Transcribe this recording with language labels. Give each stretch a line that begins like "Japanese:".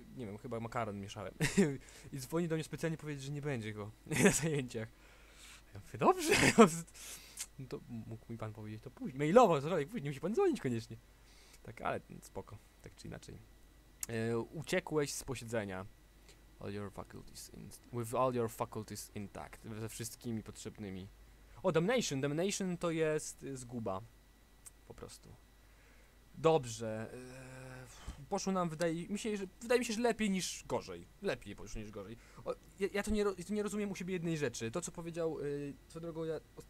Polish: Nie wiem, chyba makaron mieszałem. I dzwoni do mnie specjalnie powiedzieć, że nie będzie go na zajęciach. Ja mówię, dobrze. No to mógł mi pan powiedzieć to później. Mailowo, zrobię, później musi pan dzwonić koniecznie. Tak, ale spoko, tak czy inaczej. Uciekłeś z posiedzenia.
English: All your faculties in, with all your faculties intact.
Polish: Ze wszystkimi potrzebnymi. O, damnation. Damnation to jest zguba. Po prostu. Dobrze. Poszło nam, wydaje mi się, że lepiej niż gorzej. Lepiej poszło niż gorzej. O, ja to nie rozumiem u siebie jednej rzeczy. To, co powiedział, co drogo, ja...